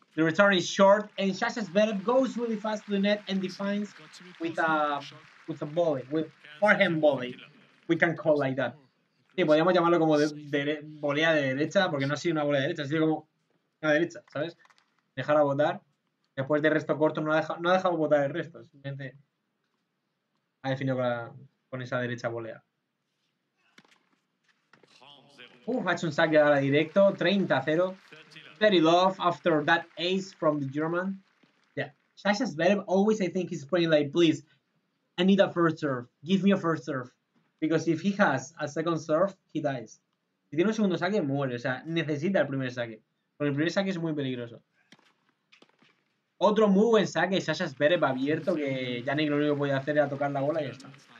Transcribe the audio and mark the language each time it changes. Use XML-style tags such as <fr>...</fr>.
<en>The return is short and Sasha Zverev goes really fast to the net and defines with a volley, with forehand volley. We can call like that.</en> <es>Sí, podríamos llamarlo como volea de derecha, porque no ha sido una volea de derecha, ha sido como una derecha, ¿sabes? Dejar a botar. Después de resto corto no ha dejado botar el resto, simplemente ha definido con esa derecha volea. Ha hecho un saque ahora directo, 30-0.</es> <en>Very love after that ace from the German. Yeah, Sasha Zverev always, I think, is playing like, please, I need a first serve. Give me a first serve. Because if he has a second serve, he dies.</en> <es>Si tiene un segundo saque, muere. O sea, necesita el primer saque. Porque el primer saque es muy peligroso. Otro muy buen saque. Sasha Zverev abierto, que Jannik lo único que podía hacer era tocar la bola y ya está.</es>